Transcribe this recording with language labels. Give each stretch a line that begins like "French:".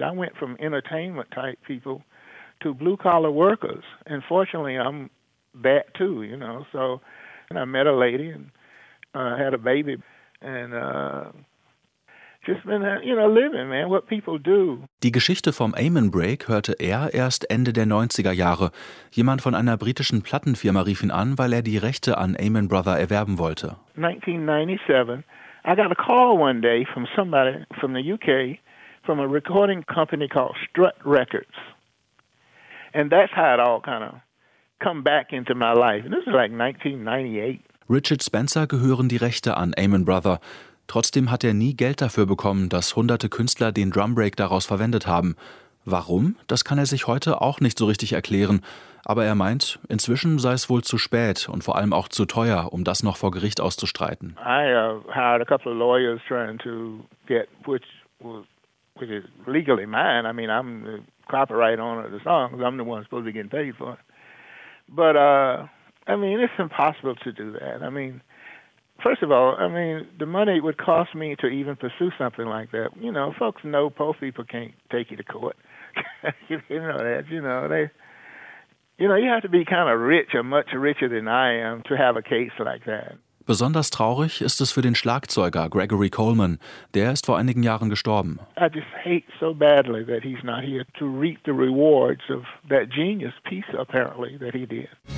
English: I went from entertainment type people to blue collar workers. And fortunately, I'm that too, you know. So and I met a lady and had a baby and just been, you know, living, man, what people do.
German: Die Geschichte vom Amen Break hörte er erst Ende der 90er Jahre. Jemand von einer britischen Plattenfirma rief ihn an, weil er die Rechte an Amen Brother erwerben wollte.
English: 1997, I got a call one day from somebody from the UK, from a recording company called Strut Records. And that's how it all kind of come back into my life. And this is like 1998.
German: Richard Spencer gehören die Rechte an Amen Brother. Trotzdem hat er nie Geld dafür bekommen, dass hunderte Künstler den Drumbreak daraus verwendet haben. Warum, das kann er sich heute auch nicht so richtig erklären. Aber er meint, inzwischen sei es wohl zu spät und vor allem auch zu teuer, um das noch vor Gericht auszustreiten.
English: I hired a couple of lawyers trying to get, which is legally mine. I mean, I'm the copyright owner of the songs. I'm the one supposed to be getting paid for it. But, I mean, it's impossible to do that. I mean, first of all, I mean, the money it would cost me to even pursue something like that. You know, folks know poor people can't take you to court. You know that, you know. You have to be kind of rich or much richer than I am to have a case like that.
German: Besonders traurig ist es für den Schlagzeuger Gregory Coleman. Der ist vor einigen Jahren gestorben.
English: I just hate so badly that he's not here to reap the rewards of that genius piece, apparently, that he did.